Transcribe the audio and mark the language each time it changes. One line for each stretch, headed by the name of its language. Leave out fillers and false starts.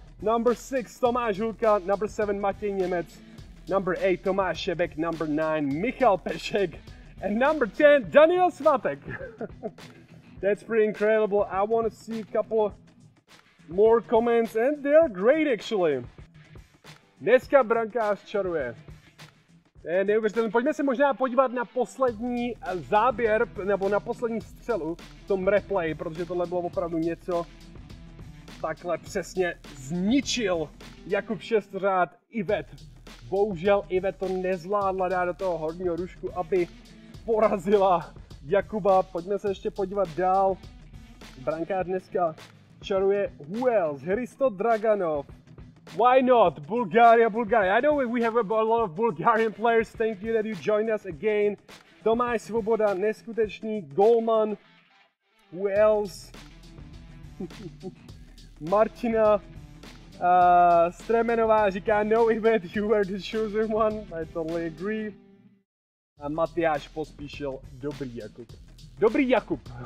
English: Number 6, Tomáš Hulka. Number 7, Matěj Němec. Number 8, Tomáš Šebek. Number 9, Michal Pešek. And number 10, Daniel Svatek. That's pretty incredible. I want to see a couple more comments, and they're great actually.
Czech: Dneska brankář čaruje. To je neuvěřitelné. Pojďme se možná podívat na poslední záběr, nebo na poslední střelu v tom replay, protože tohle bylo opravdu něco. Takhle přesně zničil Jakub Sestorad Ivet. Bohužel Ivet to nezvládla dát do toho horního rušku, aby porazila Jakuba. Pojďme se ještě podívat dál. Brankář dneska čaruje.
English: Who else? Hristo Draganov. Why not? Bulgaria, Bulgaria. I know we have a lot of Bulgarian players. Thank you that you joined us again. Tomáš Svoboda,
Czech: neskutečný
English: goalman. Who else? Martina Stremenová
Czech: říká, no,
English: Ivet, you were the chosen one. I totally agree.
Czech: A Matyáš Pospíšil, dobrý Jakub. Dobrý Jakub.